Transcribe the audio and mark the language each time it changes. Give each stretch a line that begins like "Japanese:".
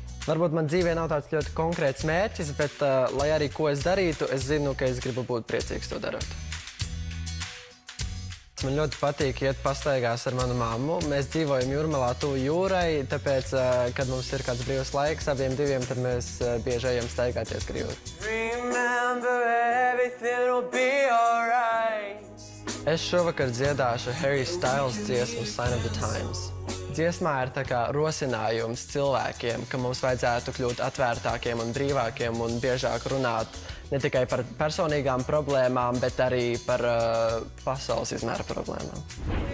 Latvian: Varbūt man dzīvē nav tāds ļoti konkrēts mērķis, bet lai arī ko es darītu, es zinu, ka es gribu būt priecīgs to darot. Man ļoti patīk iet pastaigās ar manu mammu. Mēs dzīvojam Jūrmalā tuvu jūrai, tāpēc, kad mums ir kāds brīvs laiks abiem diviem, tad mēs bieži ejam staigāties ar jūru.
English: Remember everything will be alright.
Latvian: Es šovakar dziedāšu Harry Styles dziesmu Sign of the Times. Dziesmā ir tā kā rosinājums cilvēkiem, ka mums vajadzētu kļūt atvērtākiem un brīvākiem un biežāk runāt ne tikai par personīgām problēmām, bet arī par pasaules izmēra problēmām.